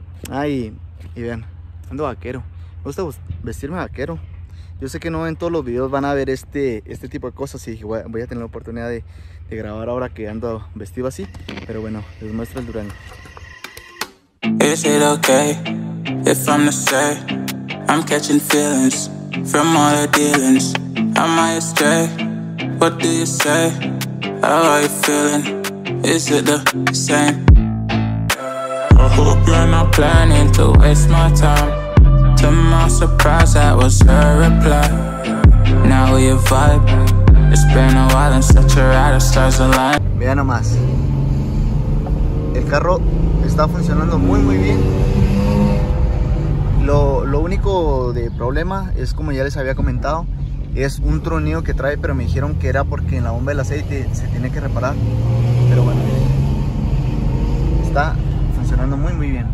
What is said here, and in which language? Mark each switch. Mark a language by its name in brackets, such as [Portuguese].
[Spanish] Ay, y vean, ando vaquero. Me gusta vestirme vaquero. Yo sé que no en todos los videos van a ver este tipo de cosas. Y voy a tener la oportunidad de grabar ahora que ando vestido así. Pero bueno, les muestro el Durango. [English] Is it okay if I'm the same? I'm catching feelings from all the dealings. Am I astray? What do you say? How are you feeling? Is it the same? I hope you're not planning to waste my time. To my surprise, that was her reply. Now we vibe. It's been a while and such a ride, the stars align. [Spanish] Mira nomás. El carro está funcionando muy muy bien. Lo único de problema es, como ya les había comentado, es un tronido que trae, pero me dijeron que era porque en la bomba del aceite se tiene que reparar. Pero bueno, está funcionando muy muy bien.